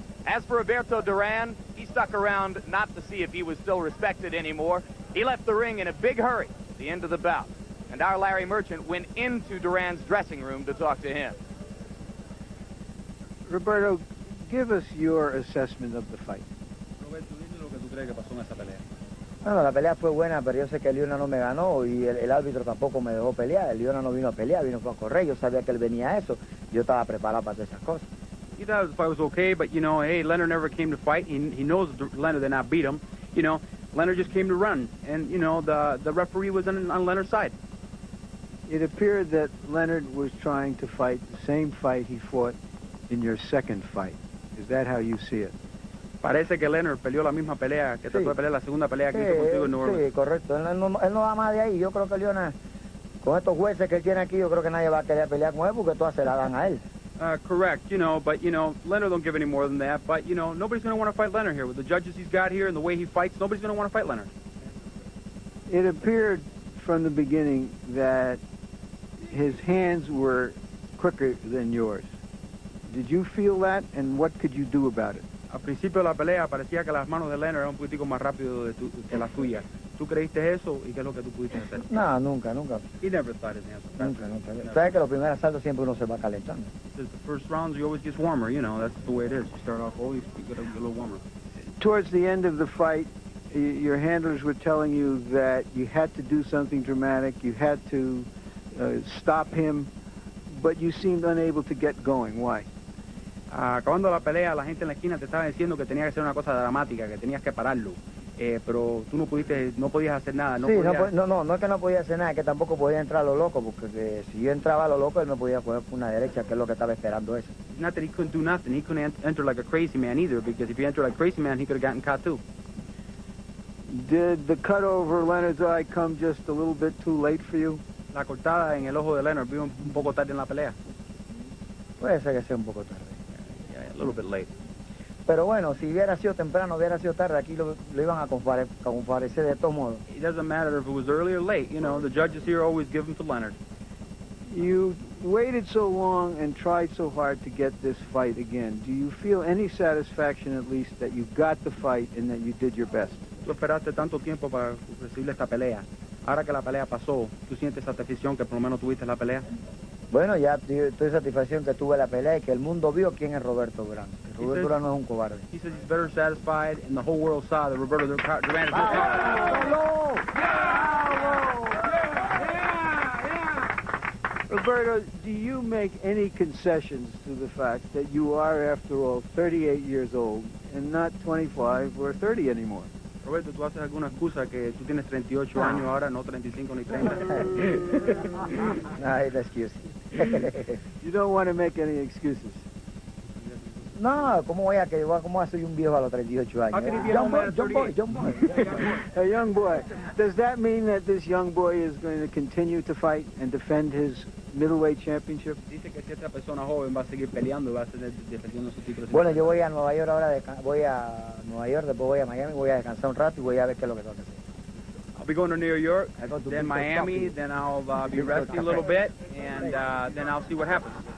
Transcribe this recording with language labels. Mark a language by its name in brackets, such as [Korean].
[English] As for Roberto Duran, he stuck around not to see if he was still respected anymore. He left the ring in a big hurry at the end of the bout. And our Larry Merchant went into Duran's dressing room to talk to him. Roberto, give us your assessment of the fight. [Spanish] Roberto, dime lo que tú crees que pasó en esa pelea. Bueno, la pelea fue buena, pero yo sé que Leona no me ganó y el árbitro tampoco me dejó pelear. Leona no vino a pelear, vino a correr. Yo sabía que él venía a eso. Yo estaba preparado para esas cosas. [English] He thought the fight was okay, but, you know, hey, Leonard never came to fight. He knows Leonard did not beat him. You know, Leonard just came to run. And, you know, the referee was on Leonard's side. It appeared that Leonard was trying to fight the same fight he fought in your second fight. Is that how you see it? [Spanish] Parece que Leonard peleó la misma pelea, que trató de pelear la segunda pelea que hizo contigo en New Orleans. Sí, correcto. Él no va más de ahí. Yo creo que Leona, con estos jueces que él tiene aquí, yo creo que nadie va a querer pelear con él porque todas se la dan a él. [English] Correct, you know, but, you know, Leonard don't give any more than that. But, you know, nobody's going to want to fight Leonard here. With the judges he's got here and the way he fights, nobody's going to want to fight Leonard. It appeared from the beginning that his hands were quicker than yours. Did you feel that, and what could you do about it? [Spanish] Al principio de la pelea parecía que las manos de Leonard eran un poquitico más rápido que las tuyas. ¿Tú creíste eso y qué es lo que tú pudiste hacer? No, nunca, nunca. [English] He never thought of that. [Spanish] Nunca. Sabes que los primeros asaltos siempre uno se va calentando. [English] The first rounds you always get warmer, you know, that's the way it is. You start off always, you get a little warmer. Towards the end of the fight, your handlers were telling you that you had to do something dramatic, you had to stop him, but you seemed unable to get going. Why? [Spanish] Acabando la pelea, la gente en la esquina te estaba diciendo que tenía que ser una cosa dramática, que tenías que pararlo. Pero tú no podías hacer nada. No es que no podía hacer nada, es que tampoco podía entrar a lo loco, porque si yo entraba a lo loco, él me podía coger una derecha, que es lo que estaba esperando eso. [English] Not that he couldn't do nothing, he couldn't enter like a crazy man either, because if he entered like a crazy man, he could have gotten caught too. Did the cut over Leonard's eye come just a little bit too late for you? [Spanish] La cortada en el ojo de Leonard vino un poco tarde en la pelea. Puede ser que sea un poco tarde. [English] A little bit late. [Spanish] Pero bueno, si hubiera sido temprano, hubiera sido tarde, aquí lo iban a comparecer de todo modo. [English] It doesn't matter if it was early or late, you know, the judges here always give them to Leonard. You waited so long and tried so hard to get this fight again. Do you feel any satisfaction at least that you got the fight and that you did your best? [Spanish] Tú esperaste tanto tiempo para recibir esta pelea. Ahora que la pelea pasó, ¿tú sientes satisfacción que por lo menos tuviste la pelea? Bueno, ya estoy satisfacción que tuve la pelea y que el mundo vio quién es Roberto Duran. Roberto Duran no es un cobarde. [English] He says he's better satisfied and the whole world saw that Roberto Duran is a cobarde. [Spanish] ¡Bravo! ¡Bravo! [English] ¡Yeah! ¡Bravo! ¡Yeah! ¡Yeah! Roberto, do you make any concessions to the fact that you are, after all, 38 years old and not 25 or 30 anymore? [Spanish] Roberto, ¿tú haces alguna excusa que tú tienes 38 años ahora, no 35 ni 30? No, es una excusa. [English] You don't want to make any excuses. [Spanish] No, ¿cómo voy a que cómo soy un viejo a los 38 años? [English] A young boy. Does that mean that this young boy is going to continue to fight and defend his middleweight championship? [Spanish] Dice que si esta persona joven va a seguir peleando, va a seguir defendiendo su título. Bueno, yo voy a Nueva York ahora, voy a Nueva York, después voy a Miami, voy a descansar un rato y voy a ver qué es lo que tengo que hacer. [English] I'll be going to New York, then Miami, then I'll be resting a little bit, and then I'll see what happens.